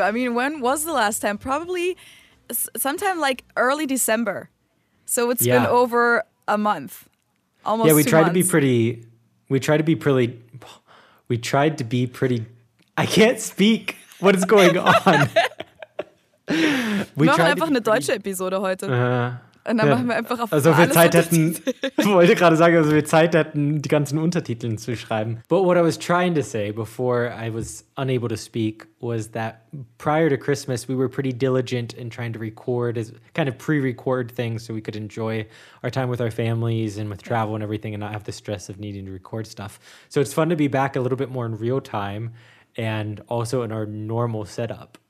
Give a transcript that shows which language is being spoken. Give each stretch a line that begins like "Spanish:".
English: I mean, when was the last time? Probably sometime like early December. So it's yeah. been over a month. Almost Yeah, we tried to be pretty, I can't speak. What is going on?
German: Wir machen einfach eine deutsche Episode heute. Und dann machen wir einfach auf also alles Zeit hätten, wollte gerade sagen, also wir Zeit hätten, die ganzen Untertitel zu schreiben.
English: But what I was trying to say before I was unable to speak was that prior to Christmas, we were pretty diligent in trying to record, as kind of pre-record things so we could enjoy our time with our families and with travel and everything and not have the stress of needing to record stuff. So it's fun to be back a little bit more in real time and also in our normal setup.